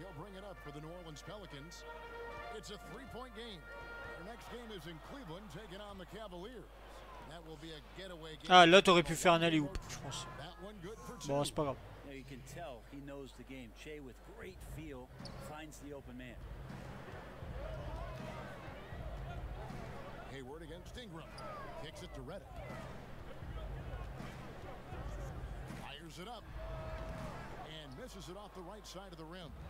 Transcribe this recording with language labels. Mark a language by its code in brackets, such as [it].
[en] He'll bring it up for the New Orleans Pelicans. It's a three-point game. The next game is in Cleveland, taking on the Cavaliers. That will be a getaway game. [fr] Ah, là, t'aurais pu faire un alley-oop, je pense. Bon, c'est pas grave. [en] Now you can tell he knows the game. Che, with great feel, finds the open man. Hayward against Ingram. Kicks it to Redick. Fires it up. Misses it off the right side of the rim.